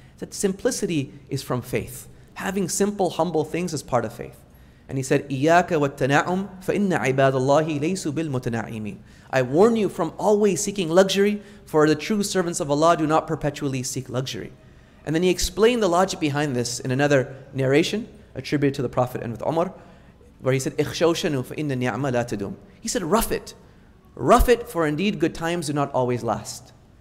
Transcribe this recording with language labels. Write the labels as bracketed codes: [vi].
[en] That simplicity is from faith. Having simple, humble things is part of faith. [ar] And he said, إِيَّاكَ وَالتَّنَعُمْ فَإِنَّ عِبَادَ اللَّهِ لَيْسُ بِالْمُتَنَعِيمِينَ. [en] I warn you from always seeking luxury, for the true servants of Allah do not perpetually seek luxury. And then he explained the logic behind this in another narration attributed to the Prophet and with Umar, where he said, [ar] إِخْشَوْشَنُ فَإِنَّ النِّعْمَ لَا تَدُمْ. [en] He said, rough it, for indeed good times do not always last.